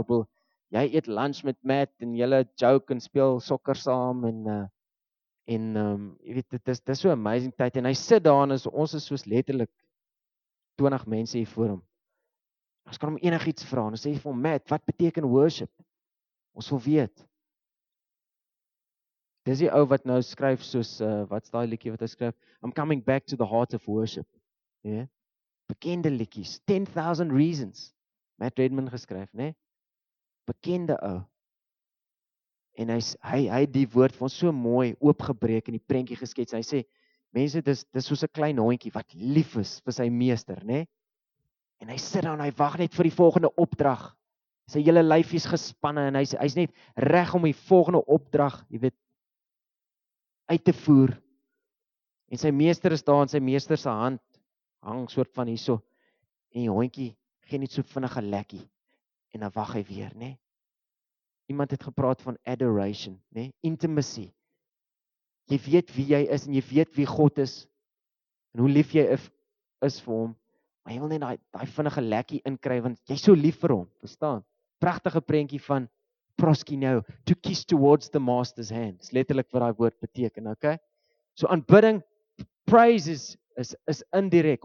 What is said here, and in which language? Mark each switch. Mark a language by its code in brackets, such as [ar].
[af] Ek wil jy eet lunch met Matt en julle joke en speel sokker saam en jy weet dit is so amazing tyd en hy sit daar en ons is soos letterlik 20 mense hier voor hom. Ons kan hom enigiets vra en sê vir hom, Matt, wat beteken worship? Ons wil weet. Dis die ou wat nou skryf soos wat's daai liedjie wat hy skryf? [en] I'm coming back to the heart of worship. [af] Ja. Yeah? Bekende liedjies, 10,000 reasons. Matt Redman geskryf, né? Nee? Bekende ou. En hy die woord vir ons so mooi oopgebreek en die prentjie geskets. Hy sê mense dis soos 'n klein hondjie wat lief is vir sy meester, né? Nee? En hy sit daar en hy wag net vir die volgende opdrag. sy hele lyfie is gespanne en hy's net reg om die volgende opdrag, jy weet, uit te voer. En sy meester is daar en sy meester se hand hang soort van hierso. En die hondjie gee net so vinnige lekkie. En dan wag hy weer, né? Iemand het gepraat van adoration, né? [en] Intimacy. [af] Jy weet wie jy is en jy weet wie God is. En hoe lief jy is vir hom. Maar jy wil net daai vinnige lekkie inkry want jy is so lief vir hom, verstaan? Pragtige prentjie van proskino, [en] to kiss towards the master's hand. [af] Dis letterlik wat daai woord beteken, okay? So aanbidding, praise is indirek.